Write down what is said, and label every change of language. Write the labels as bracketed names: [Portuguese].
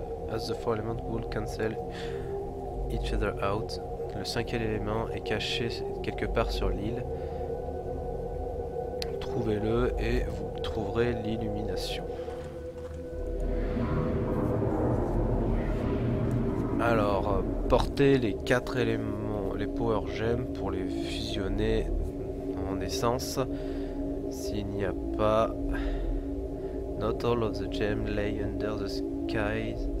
[English] As the four elements will cancel each other out. [French] Le cinquième élément est caché quelque part sur l'île. Trouvez-le et vous trouverez l'illumination. Alors, portez les quatre éléments, les power gems, pour les fusionner en essence. S'il n'y a pas... [English] Not all of the gems lay under the sky.